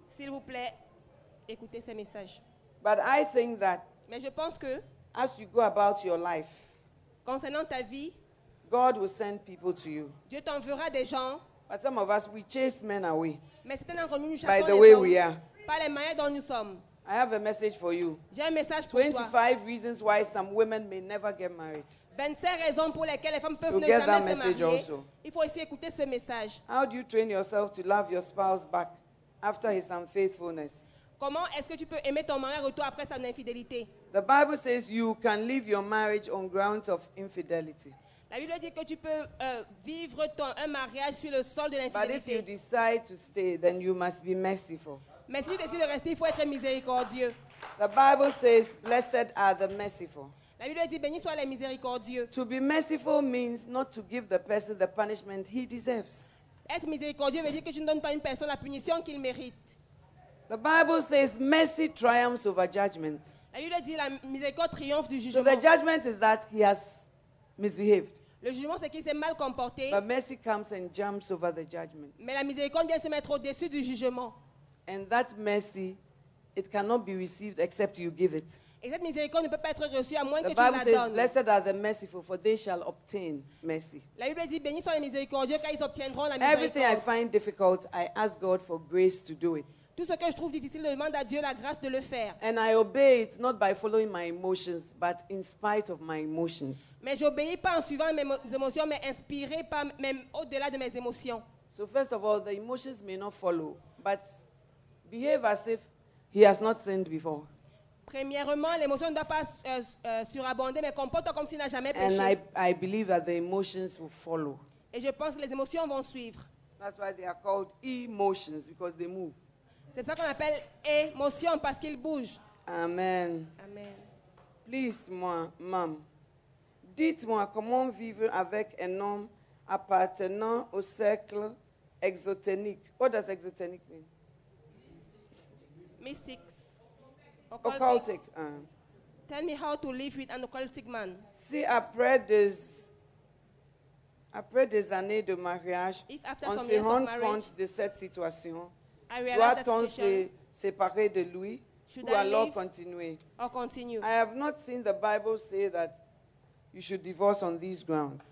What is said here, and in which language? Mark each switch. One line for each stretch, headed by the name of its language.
French: s'il vous plaît, écoutez ces messages.
English: But I think that,
French: mais je pense que,
English: as you go about your life,
French: concernant ta vie,
English: God will send people to you.
French: Dieu t'enverra des gens.
English: But some of us, we chase men away.
French: Mais certains d'entre nous, nous chassons les hommes.
English: By the way we are.
French: Par les manières dont nous sommes.
English: I have a message for you.
French: J'ai un message pour 25 toi.
English: 25 reasons why some women may never get married.
French: 25 raisons pour lesquelles les femmes peuvent ne jamais se marier.
English: Also.
French: Il faut aussi écouter ce message.
English: How do you train yourself to love your spouse back after his unfaithfulness?
French: Comment est-ce que tu peux aimer ton mari retour après son infidélité?
English: The Bible says you can leave your marriage on grounds of infidelity.
French: La Bible dit que tu peux vivre un mariage sur le sol de l'infidélité.
English: But if you decide to stay, then you must be merciful.
French: Mais si tu décides de rester, il faut être miséricordieux.
English: The Bible says, blessed are the merciful.
French: La Bible dit, bénis soient les miséricordieux.
English: To be merciful means not to give the person the punishment he deserves.
French: Être miséricordieux veut dire que tu ne donnes pas à une personne la punition qu'il mérite.
English: The Bible says, mercy triumphs over judgment.
French: La Bible dit, la miséricorde triomphe du jugement.
English: So the judgment is that he has misbehaved.
French: Le jugement c'est qu'il s'est mal comporté.
English: But mercy comes and jumps over the judgment.
French: Mais la miséricorde vient se mettre au-dessus du jugement.
English: And that mercy, it cannot be received except you give it.
French: Et cette miséricorde ne peut pas être reçue à moins
English: the
French: que
English: Bible
French: tu la
English: says,
French: donnes.
English: Blessed are the merciful, for they shall obtain mercy.
French: La Bible dit bénis sont les miséricordieux car ils obtiendront la miséricorde.
English: Everything I find difficult, I ask God for grace to do it.
French: Tout ce que je trouve difficile, je demande à Dieu la grâce de le faire.
English: And I obey it not by following my emotions, but in spite of my emotions.
French: Mais j'obéis pas en suivant mes émotions, mais inspiré par même au-delà de mes émotions.
English: So first of all, the emotions may not follow, but behave as if he has not sinned before.
French: Premièrement, l'émotion ne doit pas surabonder, mais comporte-toi comme s'il n'a jamais péché.
English: And I believe that the emotions will follow.
French: Et je pense que les émotions vont suivre.
English: That's why they are called emotions because they move.
French: C'est ça qu'on appelle émotion parce qu'il bouge.
English: Amen.
French: Amen.
English: Please,
French: moi, ma'am, dites-moi comment vivre avec un homme appartenant au cercle exotérique.
English: What does exotérique mean? Mystics. Occultic. Tell me how to live with an occultic man.
French: Si après des Après des années de mariage, on se rend compte de cette situation. Doit-on se séparer de lui ou alors continuer?
English: I have not seen the Bible say that you should divorce on these grounds.